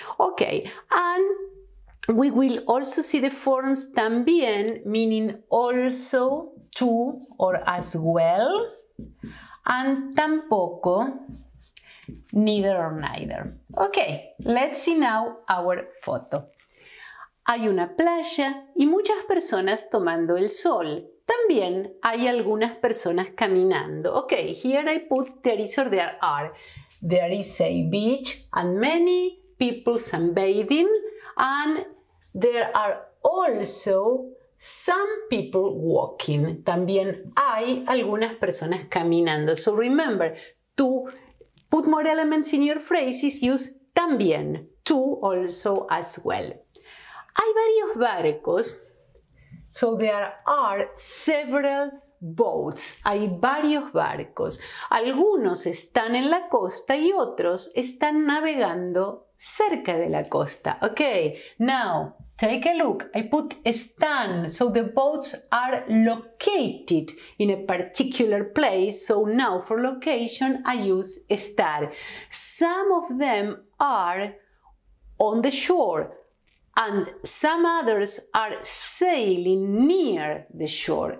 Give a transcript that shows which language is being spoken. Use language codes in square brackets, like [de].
[en] Okay, and we will also see the forms también, meaning also, to, or as well, and tampoco, neither or neither. Okay, let's see now our photo. [es] Hay una playa y muchas personas tomando el sol. También hay algunas personas caminando. [en] Okay, here I put there is or there are. There is a beach and many people sunbathing, and there are also some people walking. [es] También hay algunas personas caminando. [en] So remember, to put more elements in your phrases, use también, to also, as well. [es] Hay varios barcos. [en] So there are several boats. [es] Hay varios barcos. Algunos están en la costa y otros están navegando cerca de la costa. [en] Okay, now take a look. I put están. So the boats are located in a particular place. So now for location I use estar. Some of them are on the shore. And some others are sailing near the shore.